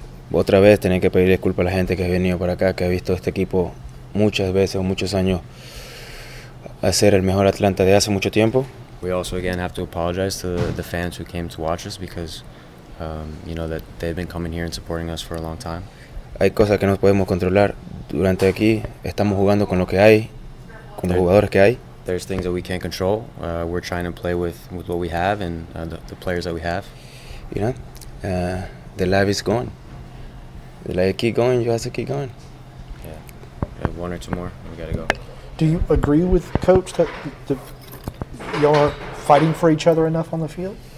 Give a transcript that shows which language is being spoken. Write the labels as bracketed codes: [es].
[es] Otra vez tener que pedir disculpas a la gente que ha venido para acá, que ha visto este equipo muchas veces o muchos años hacer el mejor Atlanta de hace mucho tiempo. [en] We also again have to apologize to the fans who came to watch us because you know that they've been coming here and supporting us for a long time. [es] Hay cosas que no podemos controlar durante aquí. Estamos jugando con lo que hay, con los jugadores que hay. [en] There's things that we can't control. We're trying to play with what we have and the players that we have. You know, the life is going. The life keep going. You have to keep going. Yeah. We have one or two more. We gotta go. Do you agree with coach that y'all are fighting for each other enough on the field?